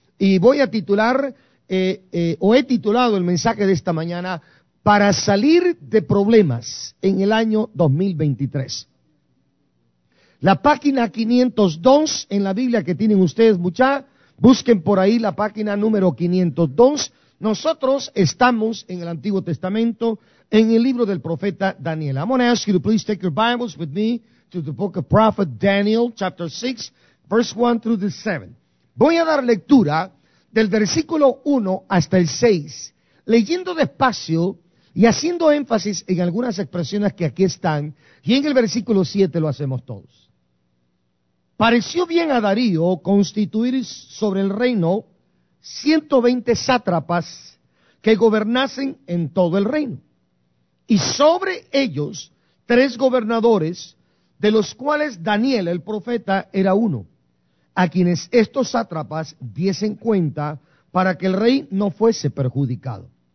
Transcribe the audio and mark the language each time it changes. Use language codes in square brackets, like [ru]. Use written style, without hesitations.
[es] Y voy a titular, he titulado el mensaje de esta mañana, para salir de problemas en el año 2023. La página 502 en la Biblia que tienen ustedes, muchachos, busquen por ahí la página número 502. Nosotros estamos en el Antiguo Testamento, en el libro del profeta Daniel. [en] I'm going to ask you to please take your Bibles with me to the book of prophet Daniel, chapter 6, verse 1 through the 7. [es] Voy a dar lectura del versículo 1 hasta el 6, leyendo despacio y haciendo énfasis en algunas expresiones que aquí están, y en el versículo 7 lo hacemos todos. Pareció bien a Darío constituir sobre el reino 120 sátrapas que gobernasen en todo el reino, y sobre ellos 3 gobernadores, de los cuales Daniel el profeta era uno, a quienes estos sátrapas diesen cuenta para que el rey no fuese perjudicado.